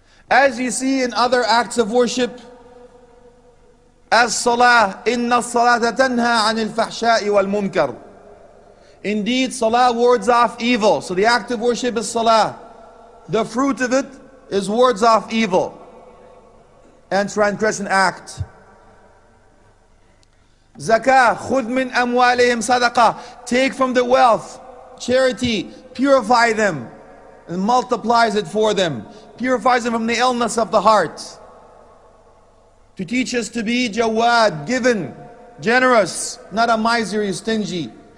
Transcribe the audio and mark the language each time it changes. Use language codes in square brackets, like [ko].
[en] As you see in other acts of worship, [ar] As-salah, inna as-salata tanha 'anil fahsha'i wal munkar. [en] Indeed, salah wards off evil. So the act of worship is salah. The fruit of it is wards off evil and transgression act. [ar] Zakah, خذ من أموالهم صدقة. [en] Take from the wealth, charity, purify them, and multiplies it for them. Purifies them from the illness of the heart. To teach us to be jawad, given, generous, not a miser, stingy.